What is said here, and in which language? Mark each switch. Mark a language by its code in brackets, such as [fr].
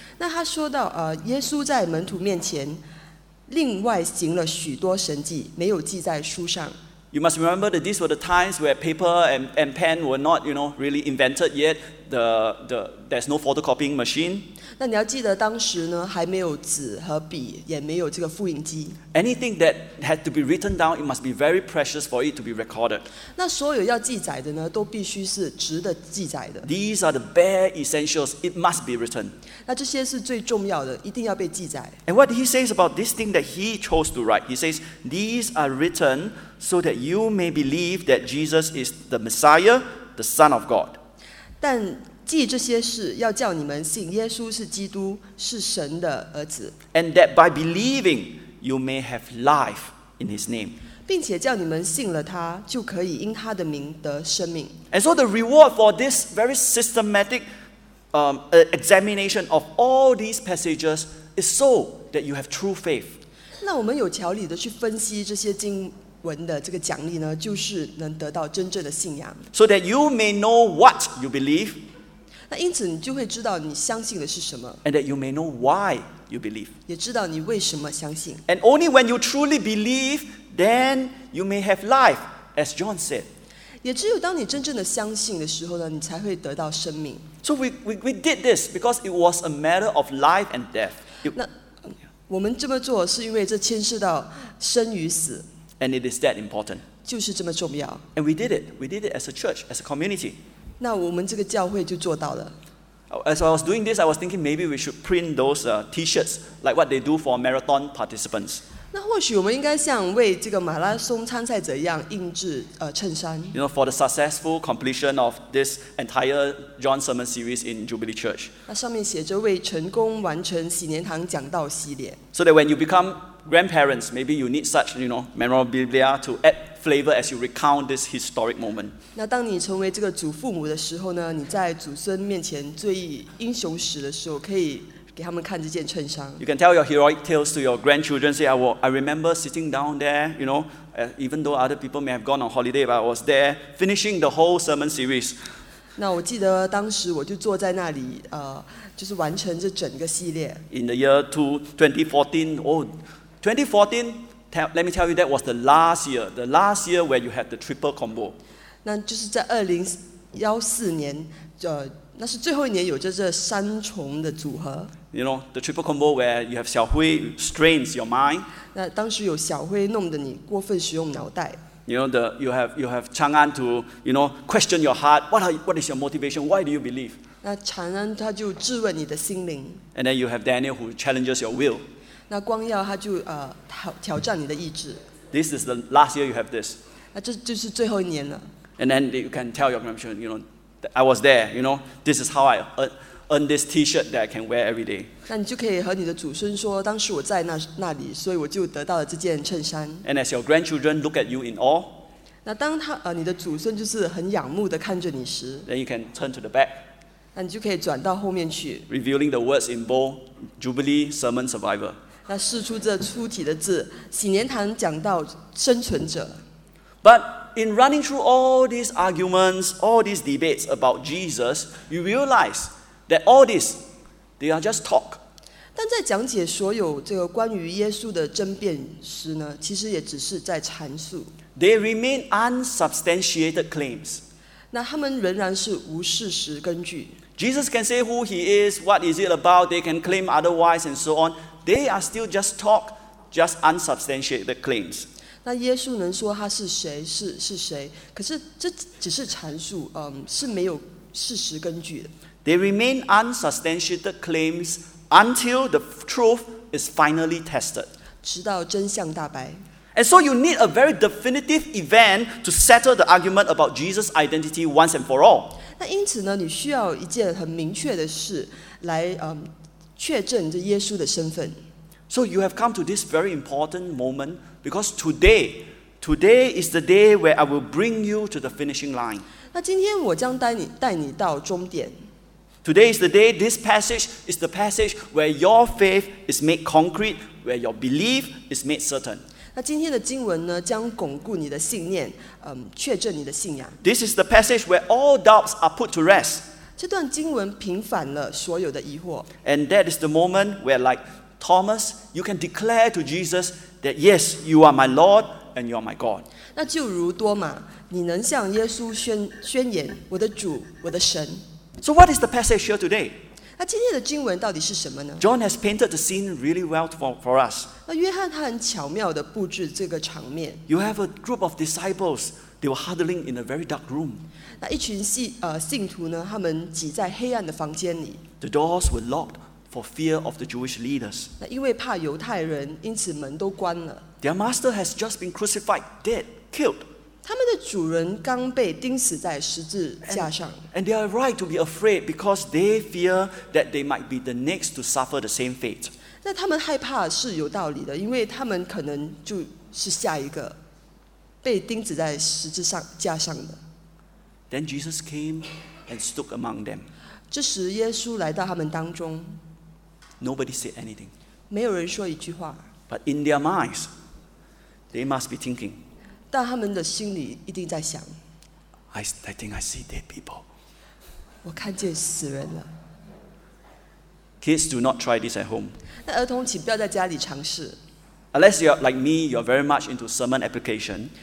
[zh] 那他说到耶稣在门徒面前另外行了许多神迹，没有记在书上。 [en] You must remember that these were the times where paper and pen were not, you know, really invented yet. There's no photocopying machine. [zh] 那你要记得当时呢，还没有纸和笔，也没有这个复印机。 [en] Anything that had to be written down, it must be very precious for it to be recorded. [zh] 那所有要记载的呢，都必须是值得记载的。 [en] These are the bare essentials. It must be written. [zh] 那这些是最重要的，一定要被记载。 [en] And what he says about this thing that he chose to write, he says, "These are written so that you may believe that Jesus is the Messiah, the Son of God." [zh] 但记这些事，要叫你们信耶稣是基督，是神的儿子。 [en] And that by believing, you may have life in his name. [zh] 并且叫你们信了他，就可以因他的名得生命。 [en] And so the reward for this very systematic examination of all these passages is so that you have true faith. [zh] 那我们有条理的去分析这些经文的这个奖励呢，就是能得到真正的信仰。 [en] So that you may know what you believe. [zh] 那因此你就会知道你相信的是什么。 [en] And that you may know why you believe. [zh] 也知道你为什么相信。 [en] And only when you truly believe, then you may have life, as John said. [zh] 也只有当你真正的相信的时候呢，你才会得到生命。 [en] So we did this because it was a matter of life and death. [zh] 那我们这么做是因为这牵涉到生与死。 [en] And it is that important. [zh] 就是这么重要。 [en] And we did it. We did it as a church, as a community. [zh] 那我们这个教会就做到了。 [en] As I was doing this, I was thinking maybe we should print those T-shirts like what they do for marathon participants. [zh] 那或许我们应该像为这个马拉松参赛者一样印制衬衫。 [en] You know, for the successful completion of this entire John Sermon series in Jubilee Church. [zh] 那上面写着为成功完成禧年堂讲道系列。 [en] So that when you become grandparents, maybe you need such, you know, memorabilia to add flavor as you recount this historic moment. [zh] 那当你成为这个祖父母的时候呢，你在祖孙面前最英雄史的时候，可以给他们看这件衬衫。 [en] You can tell your heroic tales to your grandchildren. Say, I remember sitting down there, you know, even though other people may have gone on holiday, but I was there finishing the whole sermon series. [zh] 那我记得当时我就坐在那里，就是完成这整个系列。 [en] In the year 2014, let me tell you, that was the last year where you had the triple combo. [zh] 那就是在2014年，那是最后一年有着这三重的组合。 [en] You know, the triple combo where you have 小辉 strains your mind. [zh] 那当时有小辉弄得你过分使用脑袋。 [en] You know, you have 长安 to, you know, question your heart. What is your motivation? Why do you believe? [zh] 那长安他就质问你的心灵。 [en] And then you have Daniel who challenges your will. [zh] 那光耀他就挑战你的意志。 [en] This is the last year you have this. [zh] 那这就是最后一年了。 [en] And then you can tell your grandchildren, you know, that I was there. You know, this is how I earn this T-shirt that I can wear every day. [zh] 那你就可以和你的祖孙说，当时我在那里，所以我就得到了这件衬衫。 [en] And as your grandchildren look at you in awe, [zh] 那当你的祖孙就是很仰慕的看着你时 [en] ，then you can turn to the back. [zh] 那你就可以转到后面去 [en] ，revealing the words in bold, Jubilee Sermon Survivor. [zh] 那释出这出题的字，禧年堂讲道生存者。 [en] But in running through all these arguments, all these debates about Jesus, you realize that all this, they are just talk. [zh] 但在讲解所有这个关于耶稣的争辩时呢，其实也只是在阐述。 [en] They remain unsubstantiated claims. [zh] 那他们仍然是无事实根据。 [en] Jesus can say who he is, what is it about, they can claim otherwise and so on. They are still just talk, just unsubstantiated claims. [zh] 那耶稣能说他是谁，是谁，可是这只是阐述，是没有事实根据的。 [en] They remain unsubstantiated claims until the truth is finally tested. [zh] 直到真相大白。 [en] And so you need a very definitive event to settle the argument about Jesus' identity once and for all. [zh] 那因此呢，你需要一件很明确的事来确证这耶稣的身份。 [en] So you have come to this very important moment because today is the day where I will bring you to the finishing line. [zh] 那今天我将带你到终点。 [en] Today is the day, this passage is the passage where your faith is made concrete, where your belief is made certain. [zh] 那今天的经文呢，将巩固你的信念，确证你的信仰。 [en] This is the passage where all doubts are put to rest. [zh] 这段经文平反了所有的疑惑。 [en] And that is the moment where, like Thomas, you can declare to Jesus that yes, you are my Lord and you are my God. [zh] 那就如多马，你能向耶稣宣言，我的主，我的神。 [en] So what is the passage here today? [zh] 那今天的经文到底是什么呢？ [en] John has painted the scene really well for us. [zh] 那约翰他很巧妙地布置这个场面。 [en] You have a group of disciples, they were huddling in a very dark room. [zh] 那一群信徒呢，他们挤在黑暗的房间里。 [en] The doors were locked for fear of the Jewish leaders. [zh] 那因为怕犹太人，因此门都关了。 [en] Their master has just been crucified, dead, killed. [zh] 他们的主人刚被钉死在十字架上。 [en] And they are right to be afraid because they fear that they might be the next to suffer the same fate. [zh] 那他们害怕是有道理的，因为他们可能就是下一个被钉死在十字架上的。 [en] Then Jesus came and stood among them. [zh] 这时耶稣来到他们当中。 [en] Nobody said anything. [zh] 没有人说一句话。 [en] But in their minds, they must be thinking. [zh] 但他们的心里一定在想 [en] I think I see dead people. [zh] 我看见死人了。 [en] Kids, do not try this at home. [zh] 那儿童请不要在家里尝试。 [en] Unless you're like me, you're very much into sermon application.